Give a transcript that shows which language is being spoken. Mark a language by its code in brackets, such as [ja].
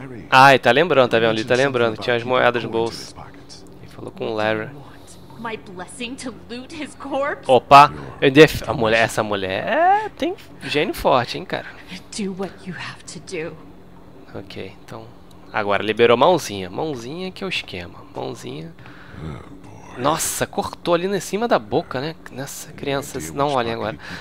[pt] Ah, ele tá lembrando, tá vendo? Ele tá lembrando, tinha as moedas no bolso. Ele falou com o Larry. [en] My blessing to loot his corpse? [pt] Opa, essa mulher tem gênio forte, hein, cara. [en] Do what you have to do. Ok, [pt] então agora liberou mãozinha. Mãozinha que é o esquema. Mãozinha. Nossa, cortou ali em cima da boca, né? Nessa criança, não olhem agora.